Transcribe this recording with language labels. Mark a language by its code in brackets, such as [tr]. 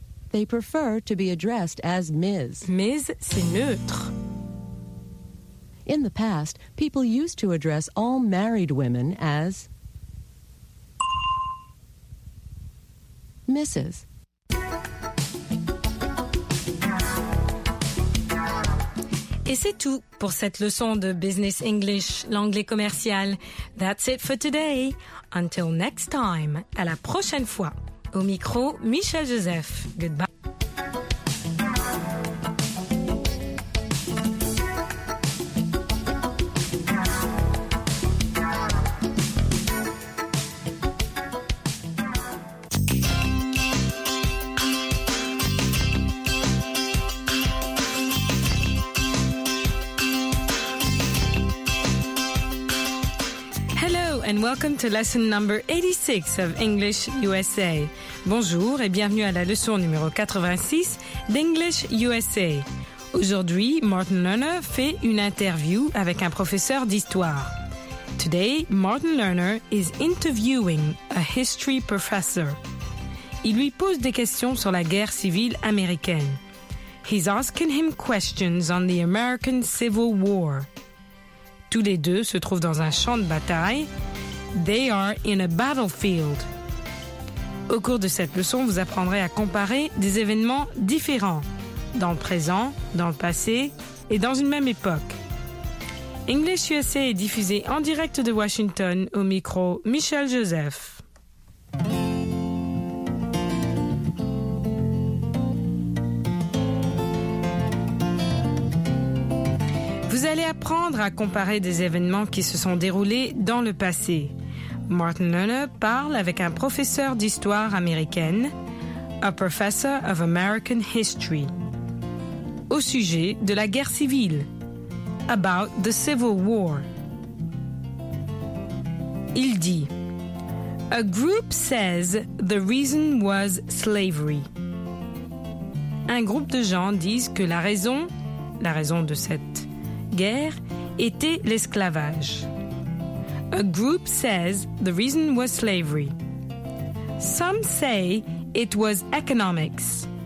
[en] They prefer to be addressed as Ms. [fr] Ms, c'est neutre. [en] In the past, people used to address all married women as Mrs. [fr] Et c'est tout pour cette leçon de Business English, l'anglais commercial. [en] That's it for today. Until next time, [fr] à la prochaine fois. Au micro, Michel Joseph. [en] Goodbye. And welcome to lesson number 86 of English USA. [fr] Bonjour et bienvenue à la leçon numéro 86 d'English USA. Aujourd'hui, Martin Lerner fait une interview avec un professeur d'histoire. [en] Today, Martin Lerner is interviewing a history professor. [fr] Il lui pose des questions sur la guerre civile américaine. [en] He's asking him questions on the American Civil War. [fr] Tous les deux se trouvent dans un champ de bataille. [en] They are in a battlefield. [fr] Au cours de cette leçon, vous apprendrez à comparer des événements différents, dans le présent, dans le passé et dans une même époque. English USA est diffusé en direct de Washington au micro Michel Joseph. Vous allez apprendre à comparer des événements qui se sont déroulés dans le passé. Martin Lerner parle avec un professeur d'histoire américaine, [en] a professor of American history, [fr] au sujet de la guerre civile, [en] about the Civil War. [fr] Il dit, [en] a group says the reason was slavery. [fr] Un groupe de gens disent que la raison de cette guerre était l'esclavage. [en] A group says the reason was slavery. Some say it was economics.